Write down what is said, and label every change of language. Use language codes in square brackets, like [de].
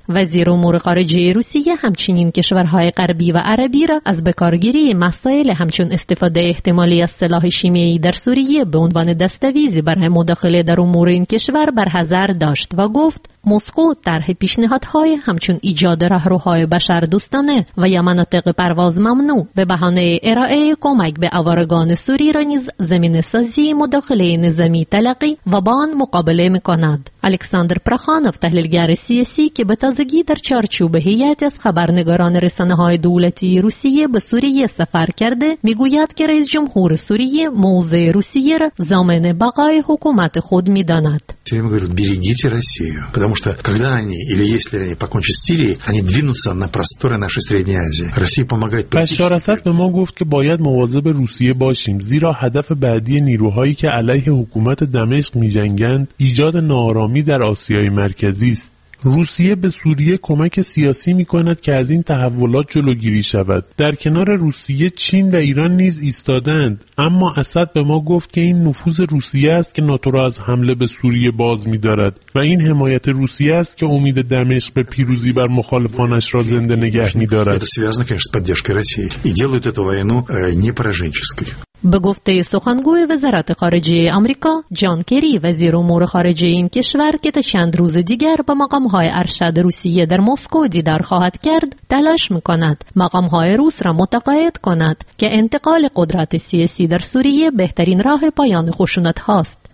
[fa] وزیر امور خارجه روسیه همچنین کشورهای غربی و عربی را از بکارگیری مسائل همچون استفاده احتمالی از سلاح شیمیایی در سوریه به عنوان دستاویزی برای مداخله در امور این کشور برحذر داشت و گفت مسکو طرح پیشنهادهای همچون ایجاد راهروهای بشر دوستانه و یا مناطق پرواز ممنوع به بهانه ارائه کمک به آوارگان سوری را نیز زمینه سازی مداخله نظامی تلقی و با آن مقابله میکند. الکساندر پراخانوف، تحلیلگر سیاسی که به تازگی در چارچوب هیئتی از خبرنگاران رسانه‌های دولتی روسیه به سوریه سفر کرده، میگوید که رئیس جمهور سوریه موضع روسیه را ضامن بقای حکومت خود میداند. [ru] Всем говорят: берегите Россию, потому что когда они или если они покончат с Сирией, они двинутся на просторы нашей Средней Азии. Россия помогает. Башар Асад нам говорит, что [fa] باید مواظب روسیه باشیم، زیرا هدف بعدی نیروهایی که علیه حکومت دمشق می‌جنگند ایجاد ناآرامی در آسیای مرکزی است. روسیه به سوریه کمک سیاسی می‌کند که از این تحولات جلوگیری شود. در کنار روسیه، چین و ایران نیز ایستادند، اما اسد به ما گفت که این نفوذ روسیه است که ناتو را از حمله به سوریه باز می‌دارد و این حمایت روسیه است که امید دمشق به پیروزی بر مخالفانش را زنده نگه می‌دارد. [ru] Это связано, конечно, с поддержкой России и делают эту войну не пораженческой. [fa] به گفته سخنگوی وزارت خارجه آمریکا، جان کری، وزیر امور خارجه این کشور که تا چند روز دیگر با مقام‌های ارشد روسیه در مسکو دیدار خواهد کرد، تلاش می‌کند مقام‌های روس را متقاعد کند که انتقال قدرت سیاسی در سوریه بهترین راه پایان خشونت هاست.